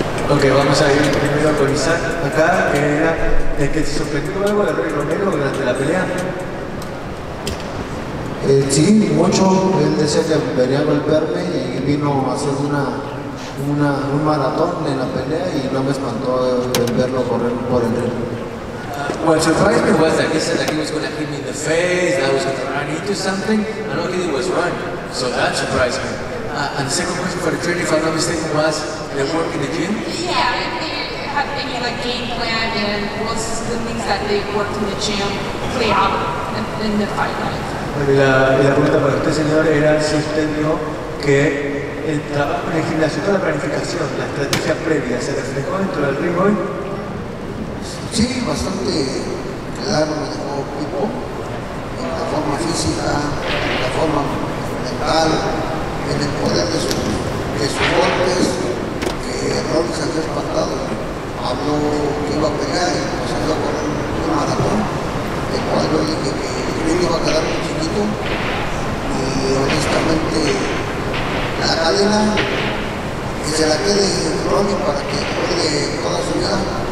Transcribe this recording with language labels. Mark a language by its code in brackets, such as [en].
[es] Ok, vamos a ir primero con Isaac acá, que era el que se sorprendió algo de Rolly Romero durante la pelea. Sí, mucho. Él decía que venía a golpearme y vino a hacer un maratón en la pelea, y no me espantó el verlo correr por el ring. [en] What surprised me was that he said that he was going to hit me in the face, that I was going to run into something, and all he did was run. So that surprised me. And the second question for the trainer, if I'm not mistaken, was the work in the gym? Yeah, if they have any like game plan, and what's the things that they worked in the gym play out in the fight night? [es] La pregunta para usted, señor, era si usted vio que el trabajo en el gimnasio, toda la planificación, la estrategia previa, se reflejó dentro del ring hoy. Sí, bastante claro, me dejó tipo, en la forma física, en la forma mental, en el poder de sus golpes, que Rolly se había espantado, habló que iba a pelear y pues salió a correr un maratón, el cual yo dije que el ring iba a quedar muy chiquito, y honestamente la cadena que se la quede Rolly para que juegue toda su vida.